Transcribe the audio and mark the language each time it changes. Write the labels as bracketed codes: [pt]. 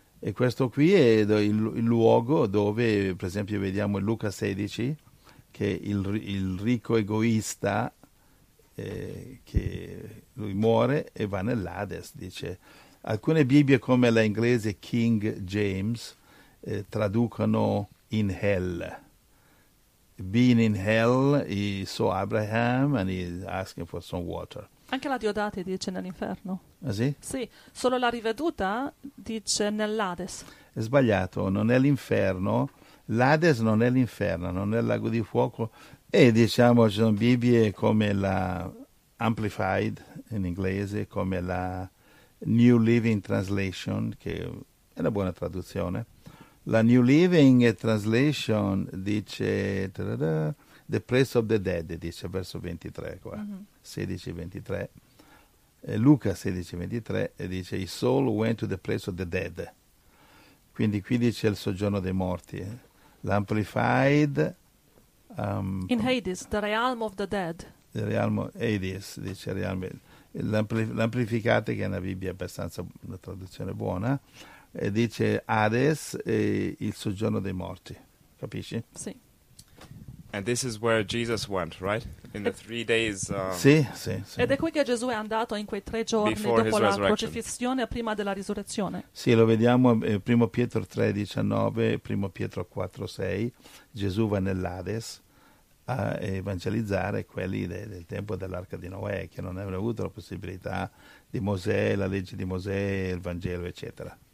[it] E questo qui è il luogo dove, per esempio, vediamo in Luca 16 che il ricco egoista che lui muore e va nell'Hades, dice. Alcune Bibbie, come la inglese King James, traducono in hell. [en] Being in hell, he saw Abraham and he asking for some water. [it] Anche la Diodate dice nell'inferno. Ah sì? Sì, solo la Riveduta dice nell'Hades. È sbagliato, non è l'inferno. L'Hades non è l'inferno, non è il lago di fuoco. E diciamo, ci sono Bibbie come la Amplified in inglese, come la New Living Translation, che è una buona traduzione. La New Living Translation dice [en] The Place of the Dead, [it] dice verso 23 qua, mm-hmm. 16:23. Luca 16:23 dice [en] His soul went to the place of the dead. [it] Quindi qui dice il soggiorno dei morti. L'Amplified [en] In Hades, the realm of the dead. The realm of Hades, dice realm. [it] L'amplificate, che è una Bibbia abbastanza, una traduzione buona, e dice Hades, il soggiorno dei morti, capisci? Sì. [en] And this is where Jesus went, right? In the 3 days. [it] Sì, sì, sì. Ed è qui che Gesù è andato in quei tre giorni dopo la crocifissione, prima della risurrezione. Sì, lo vediamo in 1 Pietro 3:19, 1 Pietro 4:6. Gesù va nell'Hades a evangelizzare quelli del tempo dell'Arca di Noè, che non avevano avuto la possibilità di Mosè, la legge di Mosè, il Vangelo, eccetera.